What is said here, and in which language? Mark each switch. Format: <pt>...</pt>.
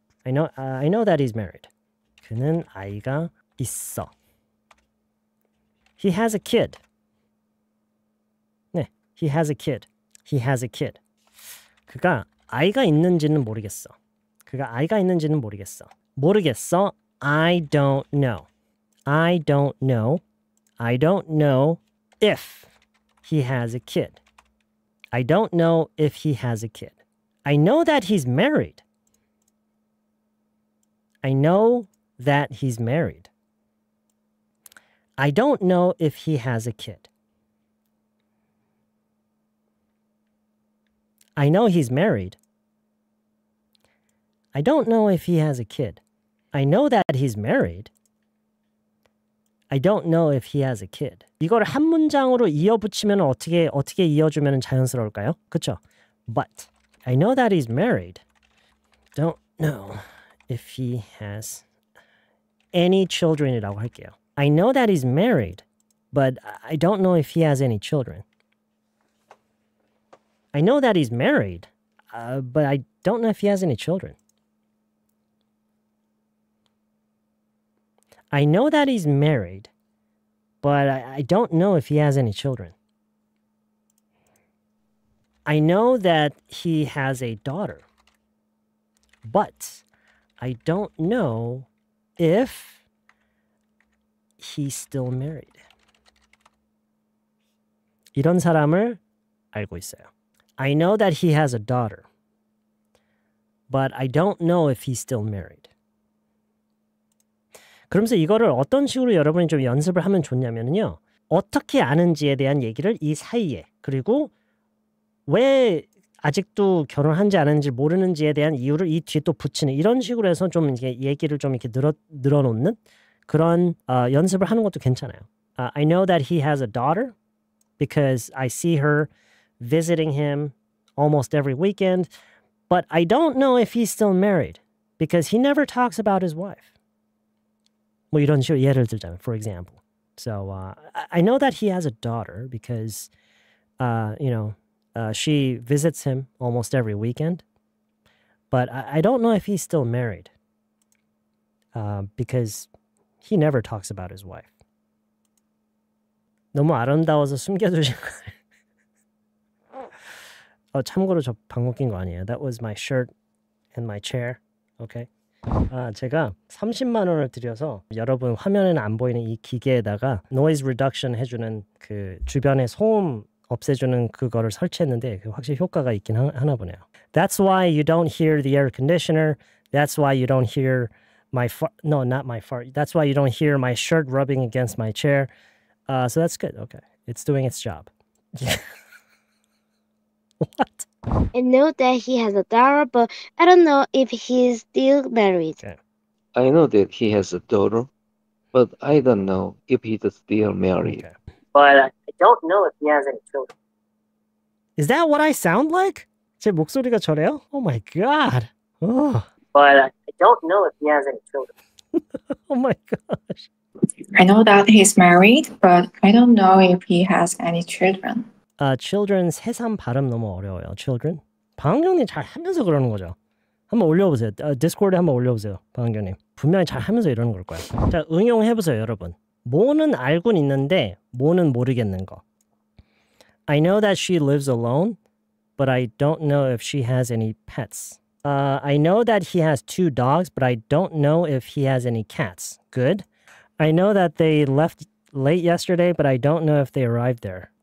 <en>I know that he's married.</en> <ko>그는 아이가 있어.</ko> <en>He has a kid. 네, he has a kid. He has a kid.</en> <ko>그가 아이가 있는지는 모르겠어. 그가 아이가 있는지는 모르겠어. 모르겠어.</ko> <en>I don't know. I don't know. I don't know if he has a kid. I don't know if he has a kid. I know that he's married. I know that he's married. I don't know if he has a kid. I know he's married. I don't know if he has a kid. I know that he's married. I don't know if he has a kid.</en> <ko>이걸 한 문장으로 이어붙이면 어떻게 이어주면 자연스러울까요? 그쵸?</ko> <en>But I know that he's married. Don't know if he has any children</en> <ko>이라고 할게요.</ko> <en>I know that he's married, but I don't know if he has any children. I know that he's married, but I don't know if he has any children. I know that he's married, but I don't know if he has any children. I know that he has a daughter, but I don't know if he's still married.</en> <ko>이런 사람을 알고 있어요.</ko> <en>I know that he has a daughter, but I don't know if he's still married.</en> <ko>그러면서 이거를 어떤 식으로 여러분이 좀 연습을 하면 좋냐면요, 어떻게 아는지에 대한 얘기를 이 사이에, 그리고 왜 아직도 결혼한지 아닌지 모르는지에 대한 이유를 이 뒤에 또 붙이는, 이런 식으로 해서 좀 이렇게 얘기를 좀 이렇게 늘어놓는 그런 연습을 하는 것도 괜찮아요.</ko> <en>I know that he has a daughter because I see her visiting him almost every weekend, but I don't know if he's still married because he never talks about his wife.</en> <ko>뭐 이런 식으로 예를 들자면,</ko> <en>for example. So, I know that he has a daughter because, you know, she visits him almost every weekend. But I don't know if he's still married because he never talks about his wife.</en> <ko>너무 아름다워서 숨겨두신 거예요. 참고로 저 방금 낀 거 아니에요.</ko> <en>That was my shirt and my chair. Okay.</en> <ko>아, 제가 30만 원을 들여서 여러분 화면에는 안 보이는 이 기계에다가 noise reduction 해주는 그 주변의 소음 없애주는 그거를 설치했는데 확실히 효과가 있긴 하나 보네요.</ko> <en>That's why you don't hear the air conditioner. That's why you don't hear my fart. No, not my fart. That's why you don't hear my shirt rubbing against my chair. So that's good. Okay. It's doing its job. What? I know that he has a daughter, but I don't know if he's still married. Okay. I know that he has a daughter, but I don't know if he's still married. Okay. But I don't know if he has any children. Is that what I sound like?</en> <ko>제 목소리가 저래요?</ko> <en>Oh my god. But I don't know if he has any children. Oh my gosh. I know that he's married, but I don't know if he has any children.</en> <ko>Children 새삼 발음 너무 어려워요. Children. 방학경님 잘 하면서 그러는 거죠. 한번 올려보세요. Discord에 한번 올려보세요. 방학경님 분명히 잘 하면서 이러는 걸 거예요. 자, 응용해보세요, 여러분. 뭐는 알고는 있는데 뭐는 모르겠는 거.</ko> <en>I know that she lives alone, but I don't know if she has any pets. I know that he has two dogs, but I don't know if he has any cats. Good. I know that they left late yesterday, but I don't know if they arrived there.</en>